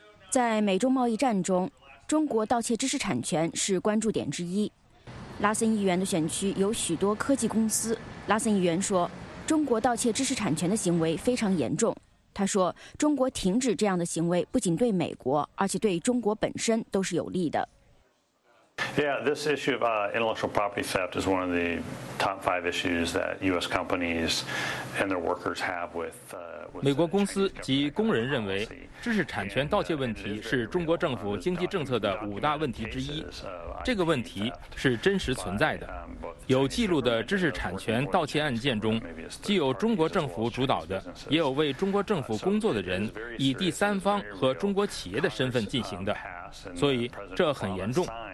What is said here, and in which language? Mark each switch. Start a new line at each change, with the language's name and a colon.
Chinese: 在美中贸易战中，中国盗窃知识产权是关注点之一。拉森议员的选区有许多科技公司。拉森议员说，中国盗窃知识产权的行为非常严重。他说，中国停止这样的行为不仅对美国，而且对中国本身都是有利的。
English: Yeah, this issue of intellectual property theft is one of the top five issues that U.S. companies and their workers have with.
Chinese: 美国公司及工人认为，知识产权盗窃问题是中国政府经济政策的五大问题之一。这个问题是真实存在的。有记录的知识产权盗窃案件中，既有中国政府主导的，也有为中国政府工作的人以第三方和中国企业的身份进行的，所以这很严重。